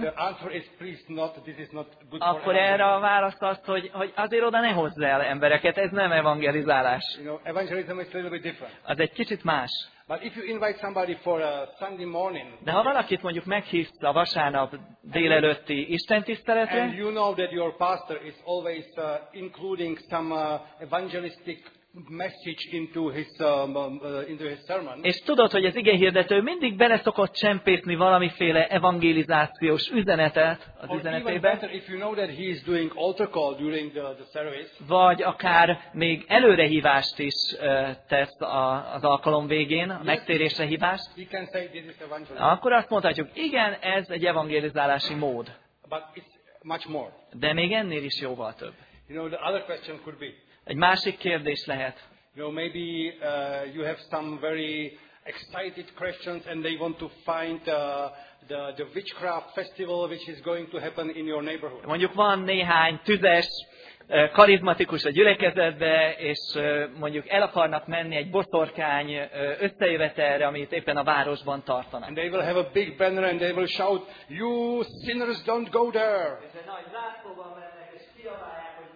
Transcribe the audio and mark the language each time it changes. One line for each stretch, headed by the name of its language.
English: the answer is please not, this is not good.
Hungarian: Akkor
English: for
Hungarian: erre a válasz az, hogy azért oda ne hozz el embereket, ez nem evangelizálás.
English: You know, evangelism is a little bit different.
Hungarian: Az egy kicsit más.
English: But if you invite somebody for a Sunday morning,
Hungarian: de ha valakit mondjuk meghívsz a vasárnap délelőtti istentiszteletre,
English: and you know that your pastor is always including some evangelistic message into his sermon.
Hungarian: És tudod, hogy az igehirdető mindig bele szokott csempészni valamiféle evangelizációs üzenetet az üzenetébe.
English: If you know that he is doing altar call during the service.
Hungarian: Vagy akár még előrehívást is tesz az alkalom végén, a megtérésre hívást.
English: He can say this is evangelism.
Hungarian: Akkor azt mondhatjuk, igen, ez egy evangelizálási mód.
English: But it's much more.
Hungarian: De még ennél is jóval több.
English: You know, the other question could be.
Hungarian: Egy másik kérdés lehet.
English: You know, maybe you have some very excited Christians and they want to find the witchcraft festival which is going to happen in your neighborhood.
Hungarian: Mondjuk van néhány tüzes, karizmatikus a gyülekezetbe, és mondjuk el akarnak menni egy boszorkány összejövetelre, amit éppen a városban tartanak.
English: And they will have a big banner and they will shout, "You sinners don't go there."
Hungarian: És egy nagy zászlóval mennek, és kiabálják.